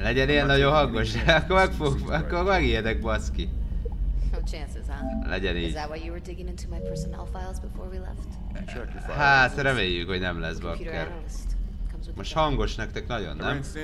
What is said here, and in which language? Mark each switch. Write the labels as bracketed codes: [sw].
[hu] Legyen ilyen nagyon hangos, akkor megijedek, baszki. [en] No chances, huh? [hu] Legyen így. [en] Is that why you were digging into my personnel files before we left? [hu] Hát, reméljük, hogy nem lesz bakker. Most hangos nektek nagyon, nem?